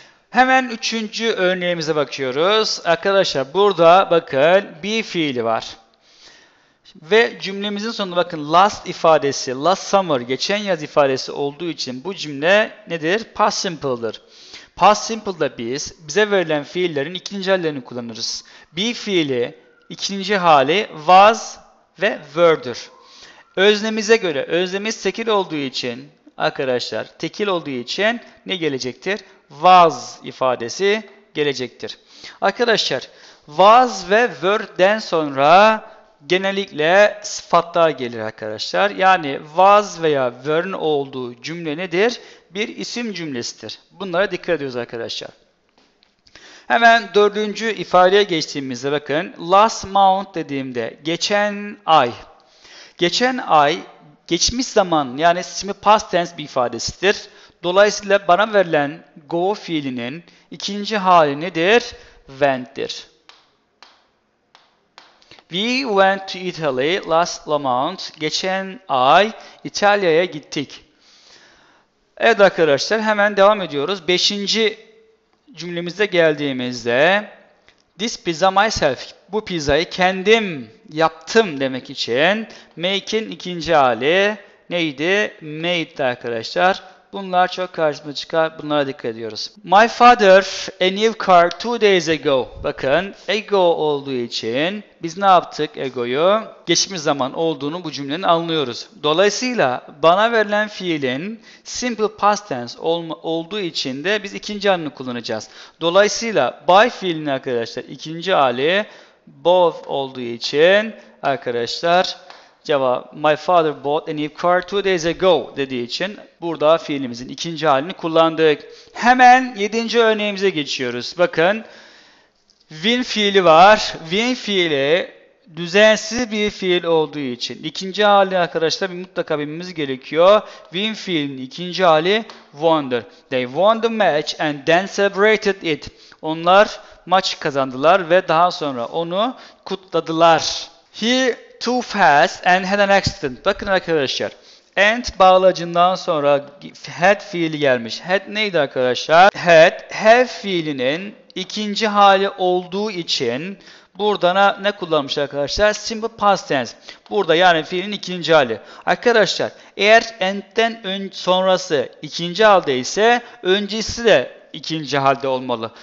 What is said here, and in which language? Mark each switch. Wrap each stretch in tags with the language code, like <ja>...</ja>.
<tr>Hemen üçüncü örneğimize bakıyoruz. Arkadaşlar burada bakın be fiili var. Ve cümlemizin sonunda bakın last ifadesi,</tr> <en>last summer,</en> <tr>geçen yaz ifadesi olduğu için bu cümle nedir? Past simple'dır. Past simple'da biz bize verilen fiillerin ikinci hallerini kullanırız. Be fiili, ikinci hali was ve were'dür. Öznemize göre, öznemiz tekil olduğu için arkadaşlar, tekil olduğu için ne gelecektir? Was ifadesi gelecektir. Arkadaşlar, was ve were'den sonra genellikle sıfatlar gelir arkadaşlar. Yani was veya were'ın olduğu cümle nedir? Bir isim cümlesidir. Bunlara dikkat ediyoruz arkadaşlar. Hemen dördüncü ifadeye geçtiğimizde bakın.</tr> <en>Last month</en> <tr>dediğimde geçen ay. Geçen ay geçmiş zaman yani şimdi past tense bir ifadesidir. Dolayısıyla bana verilen go fiilinin ikinci hali nedir? Went'tir.</tr> <en>We went to Italy last month.</en> <tr>Geçen ay İtalya'ya gittik. Evet arkadaşlar hemen devam ediyoruz. Beşinci cümlemize geldiğimizde</tr> <en>This pizza myself.</en> <tr>Bu pizzayı kendim yaptım demek için make'in ikinci hali neydi? Made'di arkadaşlar. Bunlar çok karşımıza çıkar. Bunlara dikkat ediyoruz.</tr> <en>My father a new car 2 days ago.</en> <tr>Bakın ego olduğu için biz ne yaptık egoyu? Geçmiş zaman olduğunu bu cümlenin anlıyoruz. Dolayısıyla bana verilen fiilin simple past tense olduğu için de biz ikinci halini kullanacağız. Dolayısıyla by fiilini arkadaşlar ikinci hali bought olduğu için arkadaşlar cevap</tr> <en>My father bought a new car 2 days ago</en> <tr>dediği için burada fiilimizin ikinci halini kullandık. Hemen yedinci örneğimize geçiyoruz. Bakın win fiili var. Win fiili düzensiz bir fiil olduğu için ikinci hali arkadaşlar mutlaka bilmemiz gerekiyor. Win fiilinin ikinci hali won'dur.</tr> <en>They won the match and then celebrated it.</en> <tr>Onlar maç kazandılar ve daha sonra onu kutladılar.</tr> <en>He too fast and had an accident.</en> <tr>Bakın arkadaşlar. And bağlacından sonra had fiili gelmiş. Had neydi arkadaşlar? Had fiilinin ikinci hali olduğu için burada ne kullanmış arkadaşlar? Simple past tense. Burada yani fiilin ikinci hali. Arkadaşlar eğer and'den sonrası ikinci halde ise öncesi de ikinci halde olmalı.</tr>